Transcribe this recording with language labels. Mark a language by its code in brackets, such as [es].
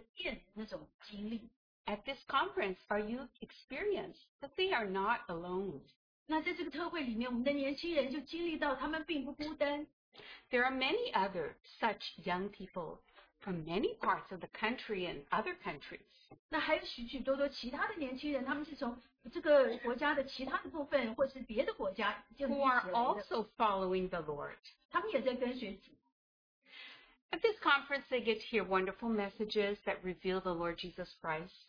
[zh] 我看到他们怎么样一同来经历这个前往耶和华的殿那种经历。 [en] At this conference, our youth experienced that they are not alone. [zh] 那在这个特会里面，我们的年轻人就经历到他们并不孤单。 [en] There are many other such young people from many parts of the country and other countries. [zh] 那还有许许多多其他的年轻人，他们是从这个国家的其他的部分，或是别的国家，就是一起来的。 [en] Who are also following the Lord. [zh] 他们也在跟随主。 [en] At this conference, they get to hear wonderful messages that reveal the Lord Jesus Christ.